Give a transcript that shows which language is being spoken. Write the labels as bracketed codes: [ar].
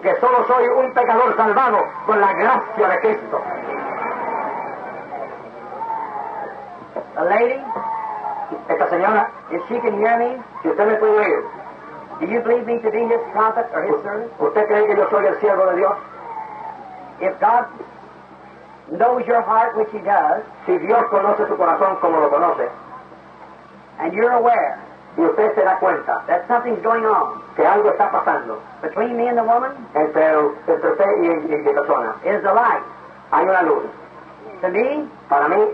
[es] Que solo soy un pecador salvado por la gracia de Cristo. [en] A lady, [es] esta señora, [en] if she can hear me, [es] si usted me puede oír, [en] do you believe me to be his prophet or his servant? [es] ¿Usted cree que yo soy el siervo de Dios? [en] If God knows your heart, which He does, [es] si Dios conoce tu corazón como lo conoce, [en] and you're aware, [es] y usted se da cuenta, [en] that something's going on, [es] que algo está pasando, [en] between me and the woman, [es] entre usted y la persona, [en] is the light, [es] hay una luz. [en] To me, [es] para mí,